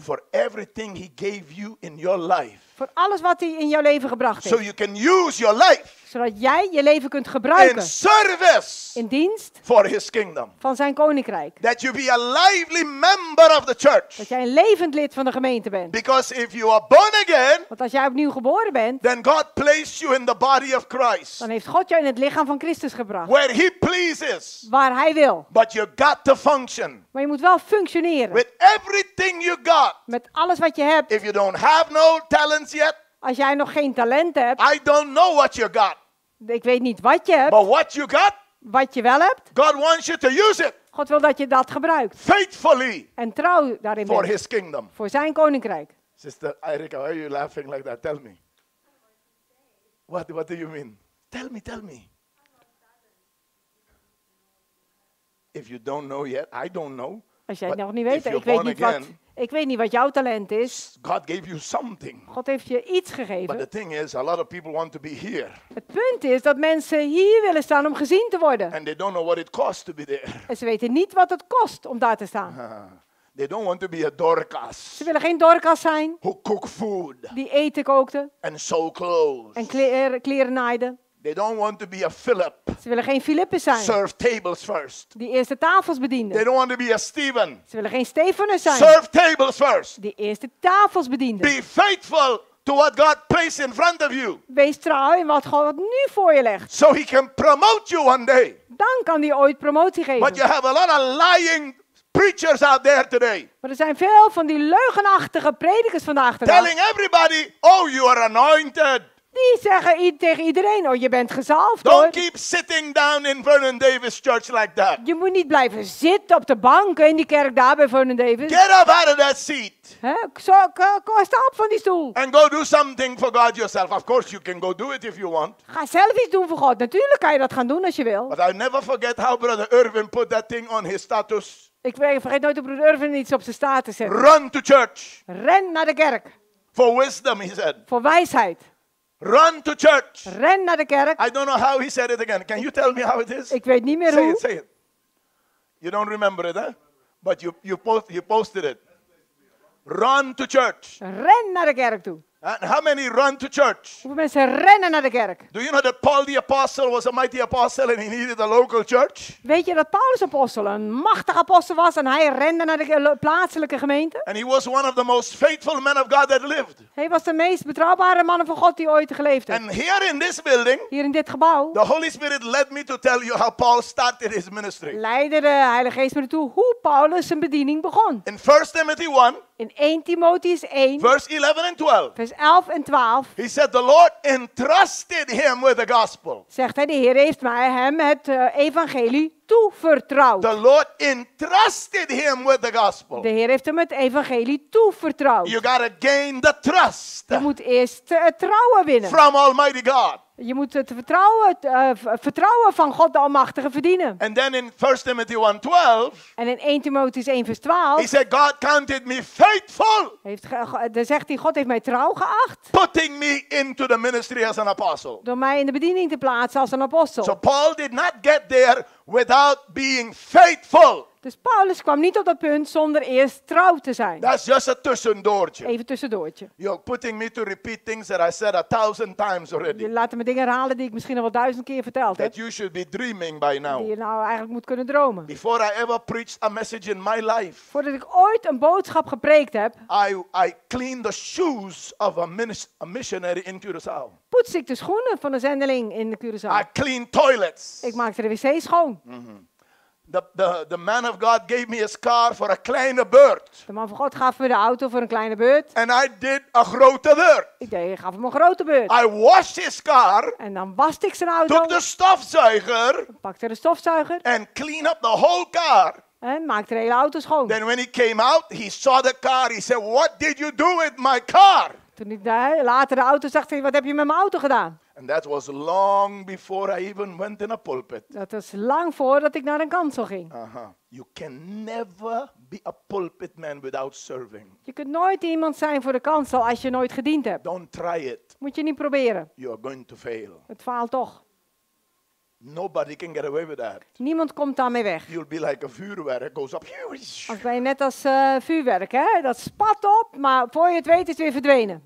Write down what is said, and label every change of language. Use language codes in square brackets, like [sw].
[en] For everything he gave you in your life. [nl] Voor alles wat hij in jouw leven gebracht heeft. [en] So you can use your life. [nl] Zodat jij je leven kunt gebruiken. [en] In service. [nl] In dienst. [en] For his kingdom. [nl] Van zijn koninkrijk. [en] That you be a lively member of the church. [nl] Dat jij een levend lid van de gemeente bent. [en] Because if you are born again. [nl] Want als jij opnieuw geboren bent. [en] Then God placed you in the body of Christ. [nl] Dan heeft God jou in het lichaam van Christus gebracht. [en] Where he pleases. [nl] Waar hij wil. [en] But you got to function. [nl] Maar je moet wel functioneren. [en] With everything you got. [nl] Met alles wat je hebt. [en] If you don't have no talents yet. [nl] Als jij nog geen talent hebt. [en] I don't know what you got. [nl] Ik weet niet wat je hebt. [en] But what you got, [nl] wat je wel hebt. [en] God, wants you to use it. [nl] God wil dat je dat gebruikt. [en] Faithfully. [nl] En trouw daarin. [en] For his kingdom. [nl] Voor zijn koninkrijk. [en] Sister Erica, why are you laughing like that? Tell me. What do you mean? Tell me. If you don't know yet, I don't know. [nl] Als jij het nog niet weet, ik weet niet [en] again, [nl] wat. Ik weet niet wat jouw talent is. [en] God gave you something. [nl] God heeft je iets gegeven. [en] But the thing is, a lot of people want to be here. [nl] Het punt is dat mensen hier willen staan om gezien te worden. [en] And they don't know what it costs to be there. [nl] En ze weten niet wat het kost om daar te staan. [en] They don't want to be a Dorcas. [nl] Ze willen geen Dorcas zijn. [en] Who cook food. [nl] Die eten kookte. [en] And sew clothes. [nl] En kleren naaide. [en] They don't want to be a Philip. [nl] Ze willen geen Philippus zijn. [en] Serve tables first. [nl] Die eerste tafels bedienden. [en] They don't want to be a Stephen. [nl] Ze willen geen Stephanus zijn. [en] Serve tables first. [nl] Die eerste tafels bedienden. [en] Be faithful to what God placed in front of you. [nl] Wees trouw in wat God nu voor je legt. [en] So he can promote you one day. [nl] Dan kan hij ooit promotie geven. [en] But you have a lot of lying preachers out there today. [nl] Maar er zijn veel van die leugenachtige predikers vandaag de dag. [en] Telling everybody, oh, you are anointed. [nl] Die zeggen tegen iedereen, oh, je bent gezalfd. [en] Don't [nl] hoor. [en] Keep sitting down in Vernon Davis Church like that. [nl] Je moet niet blijven zitten op de bank in die kerk daar bij Vernon Davis. [en] Get up out of that seat. [nl] Stap van die stoel. [en] And go do something for God yourself. Of course you can go do it if you want. [nl] Ga zelf iets doen voor God. Natuurlijk kan je dat gaan doen als je wil. [en] But I never forget how Brother Irvin put that thing on his status. [nl] Ik vergeet nooit dat Brother Irvin iets op zijn status zet. [en] Run to church. [nl] Ren naar de kerk. [en] For wisdom, he said. [nl] Voor wijsheid. [en] Run to church. [nl] Ren naar de kerk. [en] I don't know how he said it again. Can you tell me how it is? [nl] Ik weet niet meer [en] say [nl] hoe. [en] Say it. You don't remember it, huh? But you posted it. Run to church. [nl] Ren naar de kerk toe. [en] And how many run to church? [nl] Hoeveel mensen rennen naar de kerk? [en] Do you know that Paul the apostle was a mighty apostle and he needed a local church? [nl] Weet je dat Paulus apostel een machtig apostel was en hij rende naar de plaatselijke gemeente? [en] And he was one of the most faithful men of God that lived. [nl] Hij was de meest betrouwbare man van God die ooit geleefd heeft. [en] And here in this building, [nl] hier in dit gebouw, [en] the Holy Spirit led me to tell you how Paul started his ministry. [nl] Leidde de Heilige Geest me ertoe hoe Paulus zijn bediening begon. [en] In 1 Timothy 1. [nl] In 1 Timotheus 1, vers 11 en 12. Vers 11 en 12. [en] He said the Lord entrusted him with the gospel. [nl] Zegt hij, de Heer heeft mij hem het evangelie toevertrouwd. [en] The Lord entrusted him with the gospel. [nl] De Heer heeft hem het evangelie toevertrouwd. [en] You gotta gain the trust. [nl] Je moet eerst het vertrouwen winnen. [en] From Almighty God. [nl] Je moet het vertrouwen van God de Almachtige verdienen. [en] And then in 1 Timothy 1, 12. [nl] En in 1 Timotheus 1, vers 12. [en] He said, God counted me faithful. [nl] Dan zegt hij, God heeft mij trouw geacht. [en] Putting me into the ministry as an apostle. [nl] Door mij in de bediening te plaatsen als een apostel. [en] So Paul did not get there without being faithful. [nl] Dus Paulus kwam niet op dat punt zonder eerst trouw te zijn. [en] That's just a tussendoortje. [nl] Even tussendoortje. [en] You're putting me to repeat things that I said 1,000 times already. [nl] Je laat me dingen herhalen die ik misschien al wel 1,000 keer verteld [en] that [nl] heb. [en] You should be dreaming by now. [nl] Die je nou eigenlijk moet kunnen dromen. [en] Before I ever preached a message in my life. [nl] Voordat ik ooit een boodschap gepreekt heb. [en] I cleaned the shoes of a missionary in Curaçao. [nl] Poets ik de schoenen van een zendeling in Curaçao. [en] I cleaned toilets. [nl] Ik maakte de wc schoon. [en] Mm-hmm. The man of God gave me his car for a [nl] kleine beurt. De man van God gaf me de auto voor een kleine beurt. [en] And I did a [nl] grote beurt. Ik gaf hem een grote beurt. [en] I washed his car. [nl] En dan waste ik zijn auto. [en] Took the stofzuiger. [nl] Pakte de stofzuiger. [en] And clean up the whole car. [nl] En maakte de hele auto schoon. [en] Then when he came out, he saw the car. He said, "What did you do with my car?" [nl] Toen hij later de auto zag, zei hij, "Wat heb je met mijn auto gedaan?" [en] And that was long before I even went in a pulpit. [nl] Dat was lang voordat ik naar een kansel ging. [en] You can never be a pulpit man without serving. [nl] Je kunt nooit iemand zijn voor de kansel als je nooit gediend hebt. [en] Don't try it. [nl] Moet je niet proberen. [en] You are going to fail. [nl] Het faalt toch. [en] Nobody can get away with that. [nl] Niemand komt daarmee weg. [en] You'll be like a vuurwerk, goes up. [nl] Als ben je net als vuurwerk, hè? Dat spat op, maar voor je het weet is het weer verdwenen.